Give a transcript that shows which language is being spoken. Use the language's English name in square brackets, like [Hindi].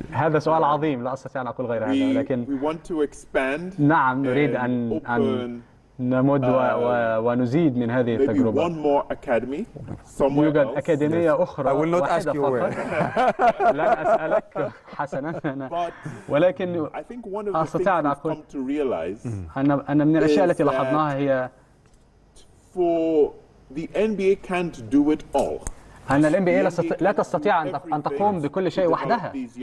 [Arabic] هذا سؤال عظيم، لا أستطيع أن أقول غير هذا، ولكن [English] we want to expand. [Arabic] نعم، نريد أن نمد ونزيد من هذه التجربة. [English] Maybe one more academy somewhere. [Arabic] يوجد أكاديمية أخرى. [English] I will not ask you where. [Arabic] لا أسألك حسنا أنا. ولكن [English] I think one of the things we've come to realize [Arabic] أن من الأشياء التي لاحظناها هي [English] for the NBA can't do it all. [Arabic] أن الـ NBA لا تستطيع أن تقوم بكل شيء وحدها.